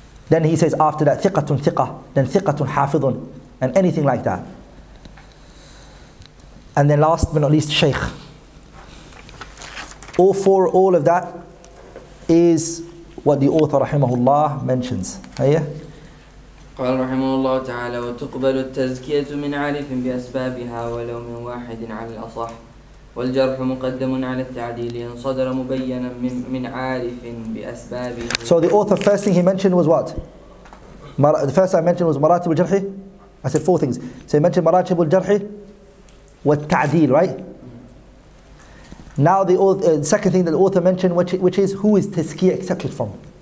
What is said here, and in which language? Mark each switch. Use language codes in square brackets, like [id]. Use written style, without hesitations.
[en] Then he says after that, ثِقَةٌ ثِقَةٌ, then ثِقَةٌ حَافِظٌ, and anything like that. And then last but not least, شَيْخ. All of that is what the author rahimahullah mentions. [ar] قال رحمه الله تعالى وتقبل التزكية من عارف بأسبابها ولو من واحد على الأصح والجرح مقدم على التعديل إن صدر مبينا من عارف بأسبابه. [en] So the author, first thing he mentioned was what? The first I mentioned was مراتب الجرح. I said four things. So he mentioned مراتب الجرح والتعديل, right? Now the second thing that the author mentioned, which is who is tazkiyah accepted from.